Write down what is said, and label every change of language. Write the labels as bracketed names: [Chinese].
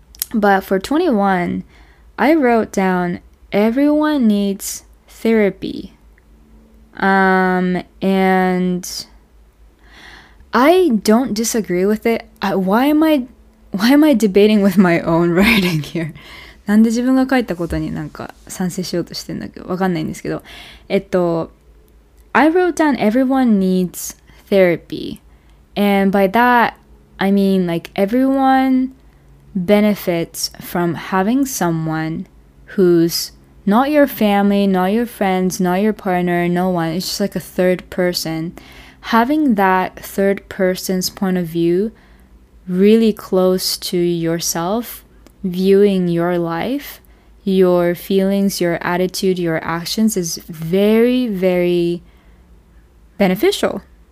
[English] But for 21, I wrote down, everyone needs therapy. And I don't disagree with it. Why am I debating with my own writing here? [Japanese] なんで自分が書いたことになんか賛成しようとしてんだけど、わかんないんですけど。 [English] I wrote down everyone needs therapy. And by that, I mean like everyone benefits from having someone who's not your family, not your friends, not your partner, no one. It's just like a third person. Having that third person's point of view really close to yourself, viewing your life, your feelings, your attitude, your actions is very, very beneficial.